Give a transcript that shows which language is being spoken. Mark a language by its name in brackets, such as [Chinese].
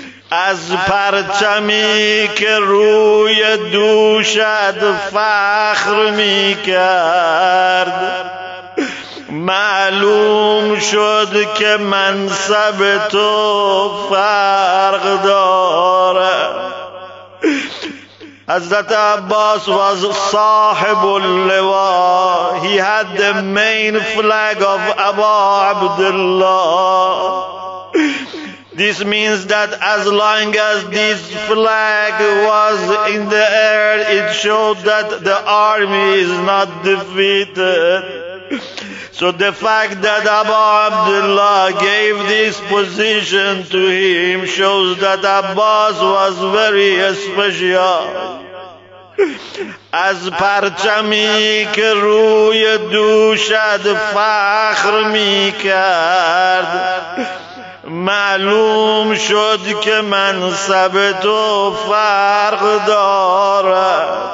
[Persian] از پرچمی که روی دوشت فخر می کرد معلوم شد که منصب تو فرق دارد [English] Hazrat Abbas was sahibul liwa. He had the main flag of Abu Abdullah. This means that as long as this flag was in the air, it showed that the army is not defeated. So the fact that Abu Abdullah gave this position to him shows that Abbas was very special. [Persian] از پرچمی که روی دوشت فخر می کرد معلوم شد که منصب تو فرق دارد